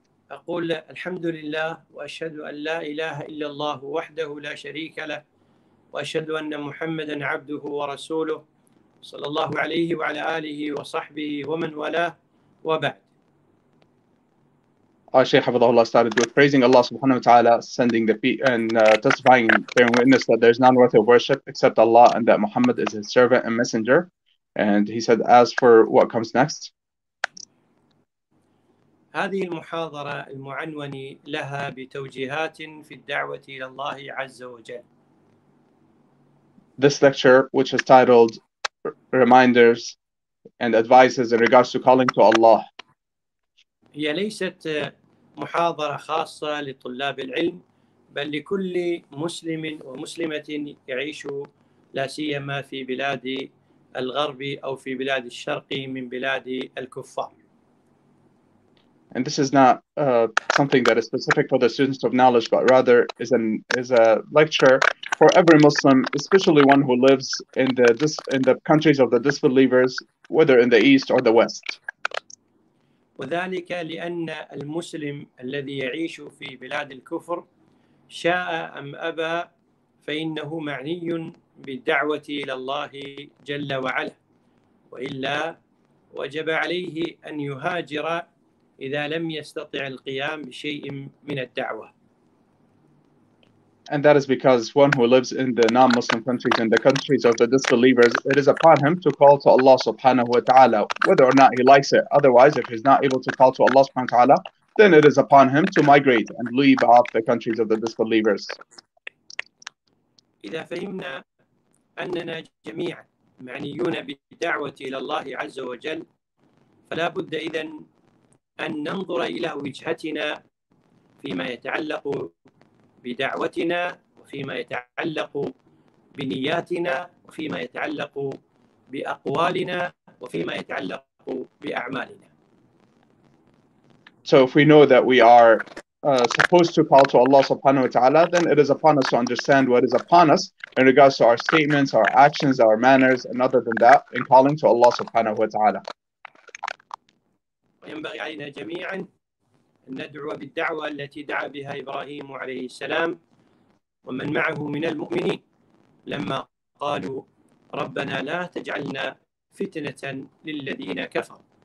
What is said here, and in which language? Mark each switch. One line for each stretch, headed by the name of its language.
Arabic: أقول الحمد لله وأشهد أن لا إله إلا الله وحده لا شريك له، وأشهد أن محمدا عبده ورسوله، صلى الله عليه وعلى آله وصحبه ومن والاه، وبعد.
English: Our Shaykh
Arabic: حفظه الله
English: started with praising Allah subhanahu wa ta'ala, sending the feet and testifying, bearing witness that there is none worthy of worship except Allah and that Muhammad is his servant and messenger. And he said, as for what comes next.
Arabic: هذه المحاضرة المعنون لها بتوجيهات في الدعوة إلى الله عز وجل.
English: This lecture, which is titled Reminders and Advices in Regards to Calling to Allah,
Arabic: هي ليست محاضرة خاصة لطلاب العلم، بل لكل مسلم ومسلمة يعيش لا سيما في بلاد الغرب أو في بلاد الشرق من بلاد الكفار.
English: And this is not something that is specific for the students of knowledge, but rather is a lecture for every Muslim, especially one who lives in the countries of the disbelievers, whether in the East or the West.
Arabic: وذلك لأن المسلم الذي يعيش في بلاد الكفر شاء أم أبى فإنه معني بالدعوة إلى الله جل وعلا، وإلا وجب عليه أن يهاجر إذا لم يستطع القيام بشيء من الدعوة.
English: And that is because one who lives in the non-Muslim countries and the countries of the disbelievers, it is upon him to call to Allah subhanahu wa ta'ala, whether or not he likes it. Otherwise, if he's not able to call to Allah subhanahu wa ta'ala, then it is upon him to migrate and leave off the countries of the disbelievers.
Arabic: إذا فهمنا أننا جميعا معنيون بالدعوة إلى الله عز وجل، فلا بد إذن أن ننظر إلى وجهتنا فيما يتعلق بدعوتنا، وفيما يتعلق بنياتنا، وفيما يتعلق بأقوالنا، وفيما يتعلق بأعمالنا.
English: So if we know that we are supposed to call to Allah subhanahu wa ta'ala, then it is upon us to understand what is upon us in regards to our statements, our actions, our manners, and other than that, in calling to Allah subhanahu wa ta'ala.
Arabic: ينبغي علينا جميعا أن ندعو بالدعوة التي دعا بها إبراهيم عليه السلام ومن معه من المؤمنين لما قالوا ربنا لا تجعلنا فتنة للذين كفروا.